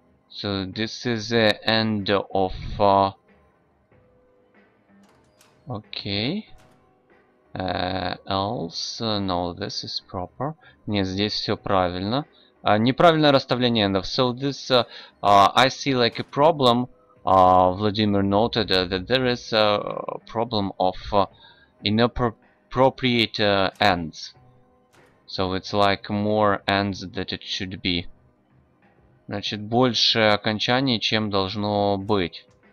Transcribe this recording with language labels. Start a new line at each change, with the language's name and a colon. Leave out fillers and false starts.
English: So this is the end of okay. Else no, this is proper.
Russian: Нет, здесь все правильно. Неправильное расставление эндов.
English: So this I see like a problem. Владимир noted that there is a problem of inappropriate ends. So it's like more ends that it should be.
Russian: Значит, больше окончаний, чем должно быть.